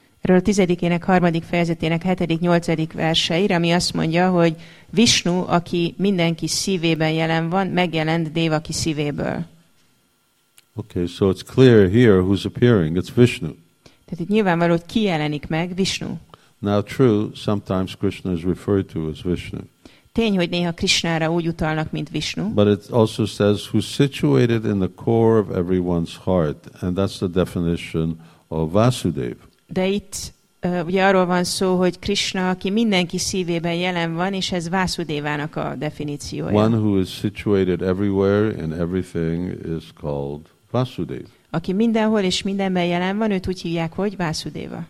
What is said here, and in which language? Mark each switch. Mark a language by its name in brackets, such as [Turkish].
[Hungarian] Erről a tizedikének, harmadik fejezetének, hetedik, nyolcadik verseire, ami azt mondja, hogy Vishnu, aki mindenki szívében jelen van, megjelent Devaki szívéből. [English] Okay, so it's clear here who's appearing. It's Vishnu. [Hungarian] Tehát itt nyilvánvaló, hogy ki jelenik meg, Vishnu. [English] Now true, sometimes Krishna is referred to as Vishnu. [Hungarian] Tény, hogy néha Krishnára úgy utalnak, mint Vishnu. [English] But it also says, who's situated in the core of everyone's heart, and that's the definition of Vasudev. [Hungarian] De itt ugye arról van szó, hogy Krishna, aki mindenki szívében jelen van, és ez Vasudevának a definíciója. [English] One who is situated everywhere and everything is called Vasudev. [Hungarian] Aki mindenhol és mindenben jelen van, őt úgy hívják, hogy Vasudeva.